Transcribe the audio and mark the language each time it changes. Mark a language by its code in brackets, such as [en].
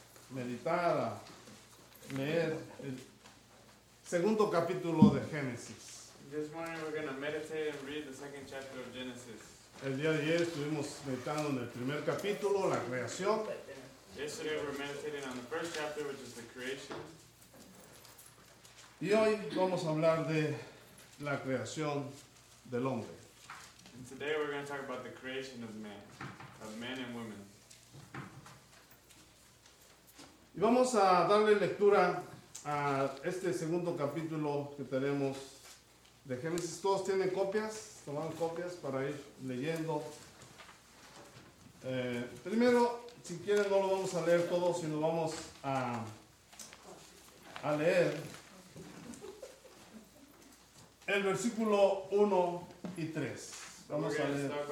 [es] meditar, a leer el segundo capítulo de Génesis. [en] This morning we're going to meditate and read the second chapter of Genesis. [es] El día de ayer estuvimos meditando en el primer capítulo, la creación. [en] Yesterday we're meditating on the first chapter, which is the creation. [es] Y hoy vamos a hablar de la creación del hombre. [en] And today we're going to talk about the creation of man, of men and women. [es] Y vamos a darle lectura a este segundo capítulo que tenemos de Génesis. ¿Todos tienen copias? ¿Tomaron copias para ir leyendo? Primero, si quieren, no lo vamos a leer todo, sino vamos a leer el versículo 1 y 3. Vamos a leer.